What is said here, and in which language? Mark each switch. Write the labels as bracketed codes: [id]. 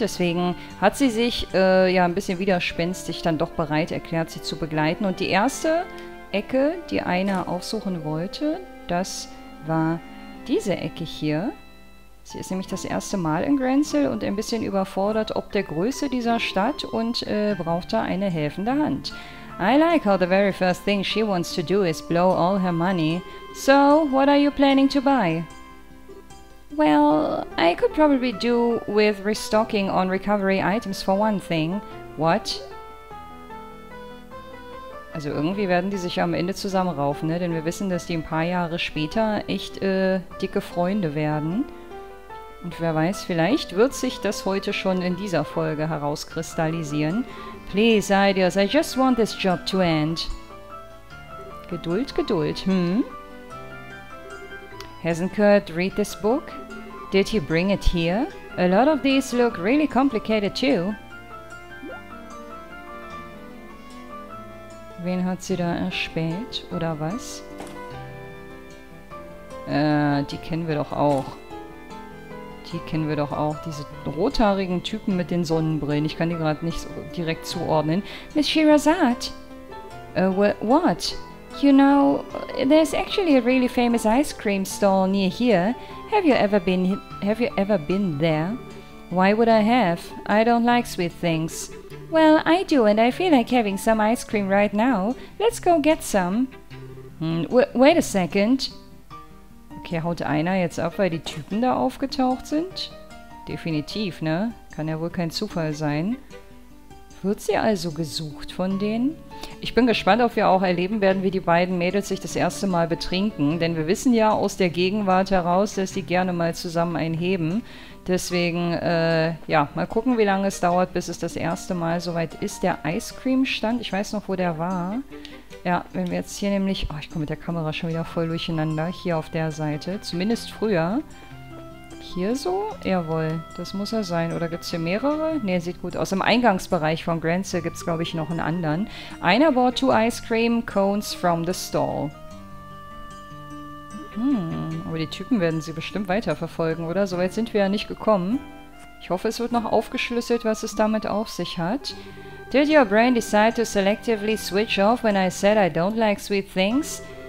[de] Deswegen hat sie sich ja ein bisschen widerspenstig dann doch bereit erklärt, sie zu begleiten. Und die erste Ecke, die Aina aufsuchen wollte, das war diese Ecke hier. Sie ist nämlich das erste Mal in Grenzel und ein bisschen überfordert ob der Größe dieser Stadt und braucht da eine helfende Hand. [en] I like how the very first thing she wants to do is blow all her money. So, what are you planning to buy? Well, I could probably do with restocking on recovery items for one thing. What? [de] Also irgendwie werden die sich ja am Ende zusammenraufen, ne? Denn wir wissen, dass die ein paar Jahre später echt dicke Freunde werden. Und wer weiß, vielleicht wird sich das heute schon in dieser Folge herauskristallisieren. [en] Please, Ideas, I just want this job to end. [de] Geduld, Geduld, hm? [en] Hasn't Kurt read this book? Did he bring it here? A lot of these look really complicated too. [de] Wen hat sie da erspäht, oder was? Die kennen wir doch auch. Die kennen wir doch auch, diese rothaarigen Typen mit den Sonnenbrillen. Ich kann die gerade nicht so direkt zuordnen. [en] Miss Shirazade! What? You know, there's actually a really famous ice cream stall near here. Have you ever been there? Why would I have? I don't like sweet things. Well, I do, and I feel like having some ice cream right now. Let's go get some. Wait a second. [de] Okay, haut einer jetzt ab, weil die Typen da aufgetaucht sind? Definitiv, ne? Kann ja wohl kein Zufall sein. Wird sie also gesucht von denen? Ich bin gespannt, ob wir auch erleben werden, wie die beiden Mädels sich das erste Mal betrinken. Denn wir wissen ja aus der Gegenwart heraus, dass die gerne mal zusammen einheben. Deswegen, ja, mal gucken, wie lange es dauert, bis es das erste Mal soweit ist. Der Ice Cream Stand, ich weiß noch, wo der war. Ja, wenn wir jetzt hier nämlich... Oh, ich komme mit der Kamera schon wieder voll durcheinander. Hier auf der Seite, zumindest früher. Hier so? Jawohl, das muss er sein. Oder gibt es hier mehrere? Ne, sieht gut aus. Im Eingangsbereich von Grenzel gibt es, glaube ich, noch einen anderen. [en] Einer bought 2 ice cream cones from the stall. [de] Hm, aber die Typen werden sie bestimmt weiterverfolgen, oder? Soweit sind wir ja nicht gekommen. Ich hoffe, es wird noch aufgeschlüsselt, was es damit auf sich hat. [en] Did your brain decide to selectively switch off when I said I don't like sweet things?